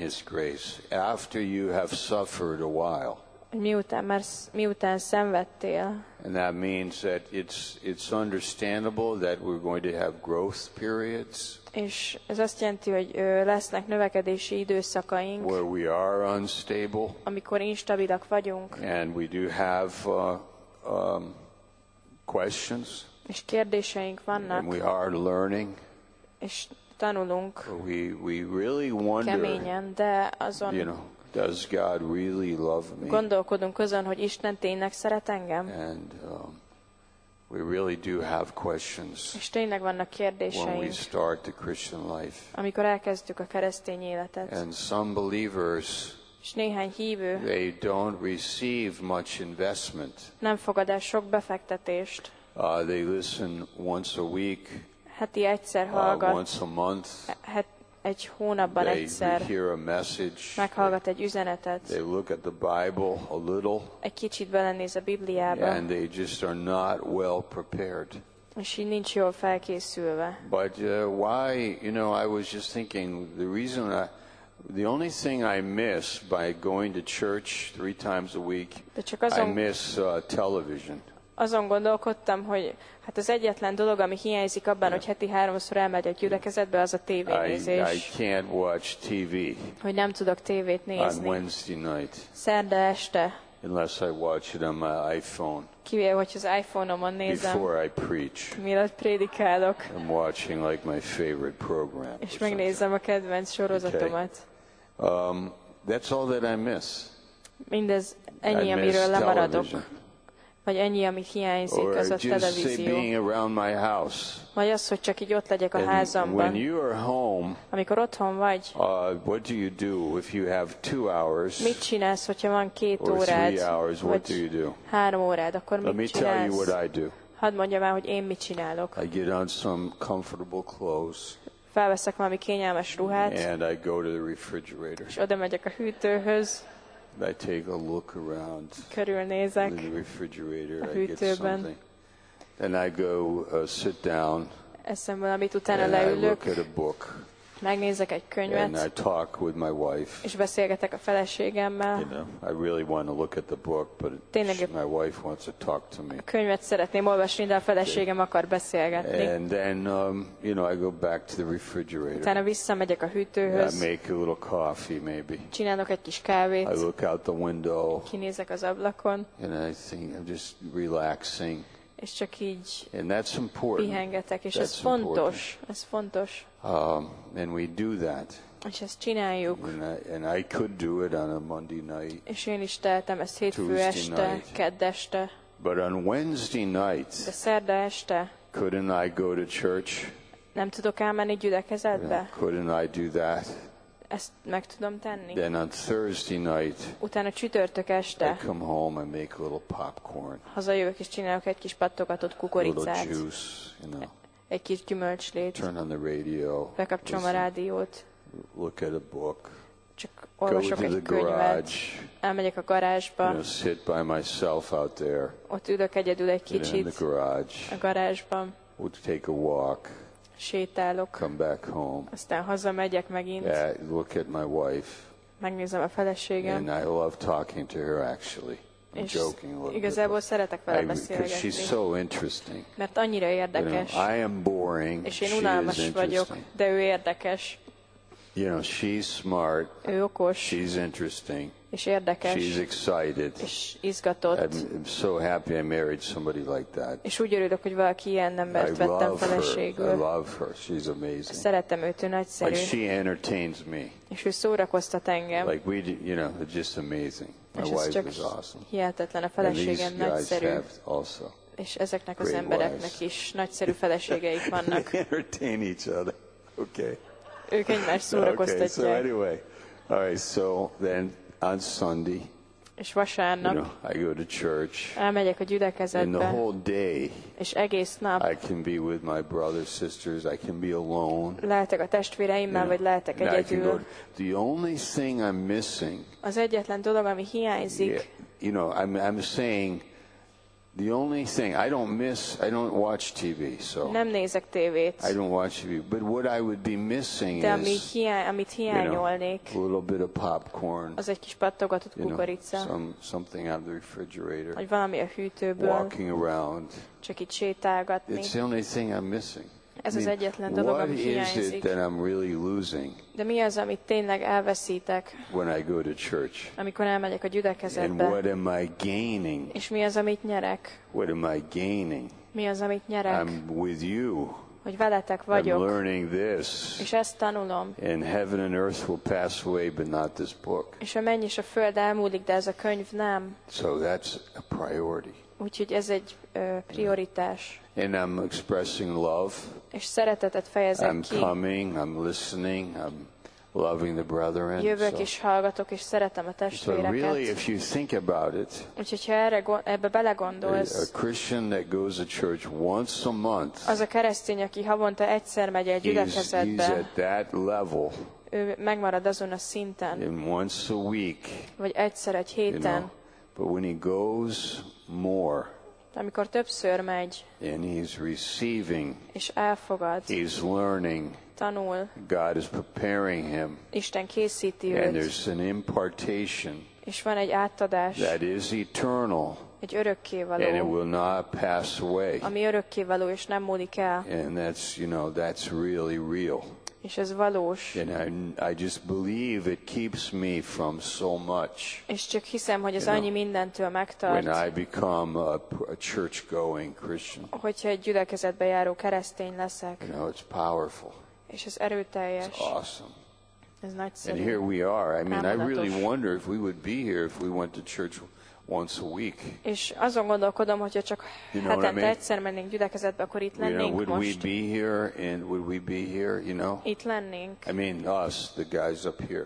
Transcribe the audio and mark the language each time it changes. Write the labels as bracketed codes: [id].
[en] In his grace, after you have suffered a while. [hu] Miután szenvedtél. [en] And that means that it's understandable that we're going to have growth periods. [hu] És ez azt jelenti, hogy lesznek növekedési időszakaink. [en] Where we are unstable. [hu] Amikor instabilak vagyunk. [en] And we do have questions. [hu] És kérdéseink vannak. [en] And we are learning. [hu] És tanulunk. [en] We really wonder. [hu] Keményen, de azon. [en] You know, does God really love me? [hu] Gondolkodunk azon, hogy Isten tényleg szeret engem? [en] And we really do have questions. [hu] És tényleg vannak kérdéseink. [en] When we start the Christian life. [hu] Amikor elkezdtük a keresztény életet. [en] And some believers. [hu] És néhány hívő. [en] They don't receive much investment. [hu] Nem fogad el sok befektetést. [en] They listen once a week. [hu] Heti egyszer hallgat. [en] Once a month. [hu] Egy hónapban egyszer. [en] They hear a message. [hu] Meghallgat egy üzenetet. [en] They look at the Bible a little. [hu] Egy kicsit belenéz a Bibliába. [en] And they just are not well prepared. [hu] És így nincs jól felkészülve. [en] But why, you know, I was just thinking, the only thing I miss by going to church three times a week, I miss television. [hu] Azon gondolkodtam, hogy hát az egyetlen dolog, ami hiányzik abban, hogy heti háromszor elmegy a gyülekezetbe, az a tévénézés. [en] I can't watch TV. [hu] Hogy nem tudok tévét nézni. [en] On Wednesday night. [hu] Szerda este. [en] Unless I watch it on my iPhone. [hu] Kivéve, hogy az iPhone-omon nézem. [en] Before I preach. [hu] Mielőtt prédikálok. [en] I'm watching like my favorite program. [hu] És megnézem a kedvenc sorozatomat. [en] Okay. That's all that I miss. [hu] Mindez ennyi, amiről lemaradok. Vagy ennyi, amit hiányzik, [en] or [hu] az a televízió. [en] House, [hu] vagy az, hogy csak így ott legyek a házamban. Home, amikor otthon vagy, [en] what do you do if you have 2 hours, [hu] mit csinálsz, hogyha van 2 órád, [en] hours, [hu] vagy [en] do do? [hu] 3 órád, akkor [en] let [hu] mit csinálsz? Hadd mondjam el, hogy én mit csinálok. [en] I get on some comfortable clothes, [hu] felveszek valami kényelmes ruhát, [en] and I go to the refrigerator. [hu] És oda megyek a hűtőhöz. [en] I take a look around [hu] körülnézek [en] in the refrigerator, [hu] a hűtőben. [en] I get And I go sit down. [hu] Eszemből, amit utána leülök. [en] And I look at a book. [hu] Megnézek egy könyvet. [en] And I talk with my wife. [hu] És beszélgetek a feleségemmel. [en] You know, I really want to look at the book, but my wife wants to talk to me. [hu] A könyvet szeretném olvasni, de a feleségem akar beszélgetni. [en] And then, you know, I go back to the refrigerator. [hu] Utána visszamegyek a hűtőhöz. [en] I make a little coffee, maybe. [hu] Csinálok egy kis kávét. [en] I look out the window. [hu] Kinézek az ablakon. [en] And I think I'm just relaxing. [hu] És csak így [en] and that's important. [hu] Pihengetek, és [en] that's [hu] ez fontos, [en] important. [hu] Ez fontos. [en] And we do that. [hu] És ezt csináljuk. [en] And I could do it on a Monday night. [hu] És én is tehetem ezt hétfő este, kedd este. [en] But on Wednesday night. [hu] De szerda este. [en] Couldn't I go to church? [hu] Nem tudok elmenni gyülekezetbe. [en] Couldn't I do that? [hu] Ezt meg tudom tenni. [en] Then on Thursday night, [hu] utána csütörtök este, [en] I come home and make a little popcorn. [hu] Hazajövök és csinálok egy kis pattogatott kukoricát. [en] A little juice, you know. [hu] Egy kis gyümölcslét. [en] Turn on the radio. [hu] Bekapcsolom a rádiót. [en] Look at a book. [hu] Csak olvasok egy könyvet. Elmegyek a garázsba. [en] You know, sit by myself out there. [hu] Ott ülök egyedül egy kicsit. [en] In the garage. [hu] A garázsban. [en] We'll take a walk. [hu] Sétálok. [en] Come back home. [hu] Aztán hazamegyek megint. [en] Yeah, look at my wife. [hu] Megnézem a feleségem. [en] And I love talking to her actually. I'm joking a little bit. [hu] Igazából szeretek vele beszélgetni. [en] Because she's so interesting. [hu] Mert annyira érdekes. [en] You know, I am boring. [hu] És én unalmas vagyok, de ő érdekes. [en] You know, she's smart. [hu] Ő okos. [en] She's interesting. [hu] És érdekes. [en] She's excited. [hu] És izgatott. [en] I'm so happy I married somebody like that. [hu] És úgy örülök, hogy valaki ilyen embert vettem feleségül. [en] I love her. She's amazing. [hu] Szeretem őt, ő nagyszerű. [en] Like she entertains me. [hu] És ő szórakoztat engem. [en] Like we, you know, just amazing. My wife is awesome. [hu] Hihetetlen, a feleségem nagyszerű. [en] And these guys have also. [hu] És ezeknek az embereknek is nagyszerű feleségeik vannak. [en] They entertain each other. Okay. [hu] Ők egymást szórakoztatják. [en] Okay, so anyway. All right, so then on Sunday. [hu] És vasárnap. [en] You know, I go to church. [hu] Elmegyek a gyülekezetbe. [en] And the whole day. [hu] És egész nap. [en] I can be with my brothers, sisters. I can be alone. [hu] Lehetek a testvéreimmel, [en] you know, [hu] vagy lehetek egyedül. [en] To, the only thing I'm missing. [hu] Az egyetlen dolog, ami hiányzik. [en] Yeah, you know, I'm saying the only thing I don't miss, I don't watch TV, so. [hu] Nem nézek tévét. [en] I don't watch TV, but what I would be missing [hu] de ami amit hiányolnék, [en] you know, a little bit of popcorn. [hu] Az egy kis pattogatott kukorica. [en] Something out of the refrigerator. [hu] Vagy valami a hűtőből. [en] Walking around. [hu] Csak itt sétálgatni. [en] It's the only thing I'm missing. [hu] Ez az egyetlen dolog, ami hiányzik. [en] What is it that I'm really losing? [hu] De mi az, amit tényleg elveszítek? [en] When I go to church. [hu] Amikor elmegyek a gyülekezetbe. [en] And what am I gaining? [hu] És mi az, amit nyerek? [en] What am I gaining? [hu] Mi az, amit nyerek? [en] I'm with you. [hu] Hogy veletek vagyok. [en] I'm learning this. [hu] És ezt tanulom. [en] And heaven and earth will pass away, but not this book. [hu] És a menny és a föld elmúlik, de ez a könyv nem. [en] So that's a priority. [hu] Úgyhogy ez egy prioritás. [en] And I'm expressing love. [hu] És szeretetet fejezek [en] I'm [hu] ki. [en] Coming, I'm listening, I'm loving the brethren. [hu] Jövök és hallgatok és szeretem a testvéreket. [en] So really, if you think about it, [hu] úgyhogy ha erre ebbe belegondolsz, [en] a Christian that goes to church once a month, [hu] az a keresztény, aki havonta egyszer megy egy gyülekezetbe, [en] is at that level. [hu] Ő megmarad azon a szinten. [en] And once a week, [hu] vagy egyszer egy héten. [en] You know, but when he goes more. [hu] Amikor többször megy, [en] and he's receiving, [hu] és elfogad, [en] he's learning, [hu] tanul, [en] God is preparing him, [hu] Isten készíti [en] and [hu] őt, [en] and there's an impartation, [hu] és van egy átadás, [en] that is eternal, [hu] egy örökkévaló, [en] and it will not pass away, [hu] ami örökkévaló és nem múlik el, [en] and that's, you know, that's really real. [hu] És ez valós. [en] And I just believe it keeps me from so much. [hu] És csak hiszem, hogy ez annyi mindentől megtart. [en] When I become a church-going Christian. [hu] Hogyha egy gyülekezetbe járó keresztény leszek. [en] You know, it's powerful. [hu] És ez erőteljes. [en] It's awesome. [hu] Ez nagyszerű. [en] And here we are. I mean, I really wonder if we would be here if we went to church once a week. [hu] És azon gondolkodom, hogyha csak hetente egyszer mennénk gyülekezetbe, akkor itt lennénk most. [en] Would we be here and would we be here, you know? [hu] Itt lennénk. [en] I mean, us, the guys up here.